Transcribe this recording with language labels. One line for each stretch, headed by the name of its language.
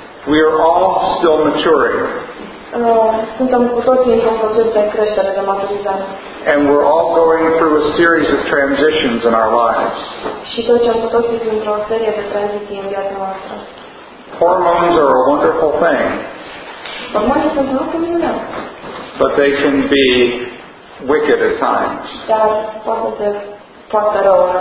English: We are all still maturing.
Romanian: Suntem cu toții într-un proces de creștere, de maturizare.
English: And we're all going through a series of transitions in our lives.
Romanian: Și trecem cu toții printr-o serie de tranziții în viața noastră.
English: Hormones are a wonderful thing.
Romanian: Hormonii sunt un lucru minunat.
English: But they can be wicked at times.
Romanian: Dar pot să fie foarte rău.